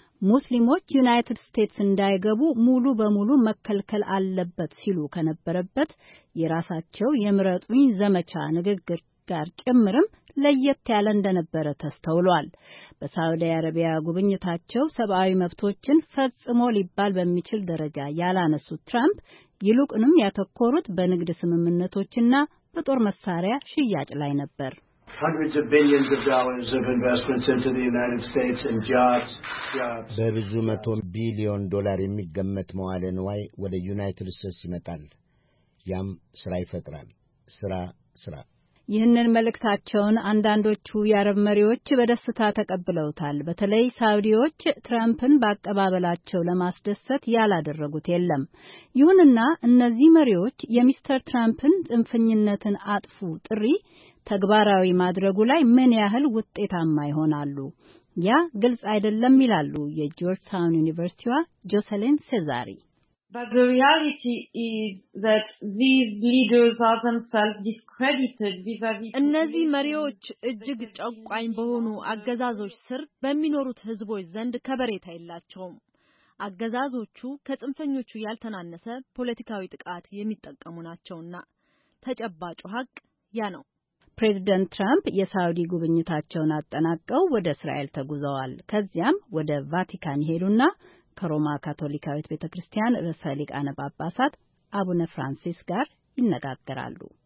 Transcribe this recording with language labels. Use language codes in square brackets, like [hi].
[am] ሙስሊሞች ዩናይትድ ስቴትስ እንዳይገቡ ሙሉ በሙሉ መከልከል አለበት ሲሉ ከነበረበት የራሳቸው የምረጡኝ ዘመቻ ንግግር ጋር ጭምርም ለየት ያለ እንደነበረ ተስተውሏል። በሳውዲ አረቢያ ጉብኝታቸው ሰብአዊ መብቶችን ፈጽሞ ሊባል በሚችል ደረጃ ያላነሱት ትራምፕ ይልቁንም ያተኮሩት በንግድ ስምምነቶችና በጦር መሳሪያ ሽያጭ ላይ ነበር። [en] Hundreds of billions of dollars of investments into the United States and jobs. [am] በብዙ መቶ ቢሊዮን ዶላር የሚገመት መዋለ ንዋይ ወደ ዩናይትድ ስቴትስ ይመጣል። ያም ስራ ይፈጥራል። ስራ። ይህንን መልእክታቸውን አንዳንዶቹ የአረብ መሪዎች በደስታ ተቀብለውታል። በተለይ ሳውዲዎች ትራምፕን በአቀባበላቸው ለማስደሰት ያላደረጉት የለም። ይሁንና እነዚህ መሪዎች የሚስተር ትራምፕን ጽንፈኝነትን አጥፉ ጥሪ ተግባራዊ ማድረጉ ላይ ምን ያህል ውጤታማ ይሆናሉ? ያ ግልጽ አይደለም ይላሉ የጆርጅ ታውን ዩኒቨርሲቲዋ ጆሴሊን ሴዛሪ። [en] But the reality is that these leaders are themselves discredited vis-à-vis [am] እነዚ መሪዎች እጅግ ጨቋኝ በሆኑ አገዛዞች ስር በሚኖሩት ህዝቦች ዘንድ ከበሬታ የላቸውም። አገዛዞቹ ከጽንፈኞቹ ያልተናነሰ ፖለቲካዊ ጥቃት የሚጠቀሙ ናቸውና ተጨባጭ ሀቅ ያ ነው። ፕሬዝዳንት ትራምፕ የሳውዲ ጉብኝታቸውን አጠናቀው ወደ እስራኤል ተጉዘዋል። ከዚያም ወደ ቫቲካን ሄዱና ከሮማ ካቶሊካዊት ቤተክርስቲያን ርዕሰ ሊቃነ ጳጳሳት አቡነ ፍራንሲስ ጋር ይነጋገራሉ።